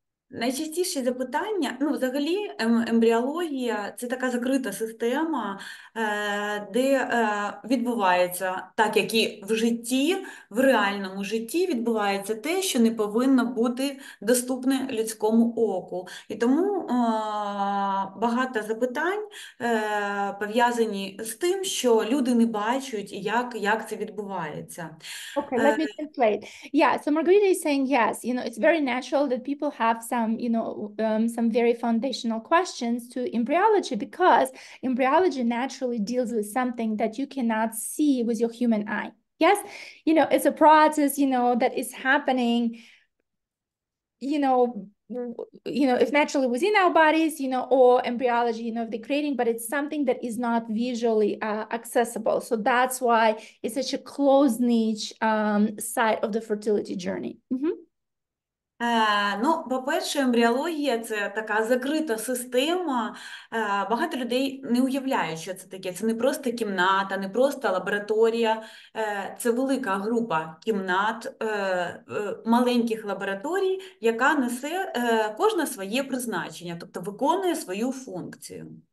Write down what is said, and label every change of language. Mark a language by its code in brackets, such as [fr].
[uk] Найчастіше запитання, ну, взагалі, ембріологія – це така закрита система, де відбувається, так як і в житті, в реальному житті відбувається те, що не повинно бути доступне людському оку. І тому багато запитань пов'язані з тим, що люди не бачать, як це відбувається. [en] Okay, let me translate. Yeah, so Margarita is saying, yes, you know, it's very natural that people have some, you know, some very foundational questions to embryology, because embryology naturally deals with something that you cannot see with your human eye. Yes, you know, it's a process, you know, that is happening, you know, if naturally within our bodies, you know, or embryology, you know, they're creating, but it's something that is not visually accessible. So that's why it's such a closed niche side of the fertility journey. Mm-hmm. [uk] Ну, по-перше, ембріологія – це така закрита система. Багато людей не уявляють, що це таке. Це не просто кімната, не просто лабораторія. Це велика група кімнат, маленьких лабораторій, яка несе кожне своє призначення, тобто виконує свою функцію.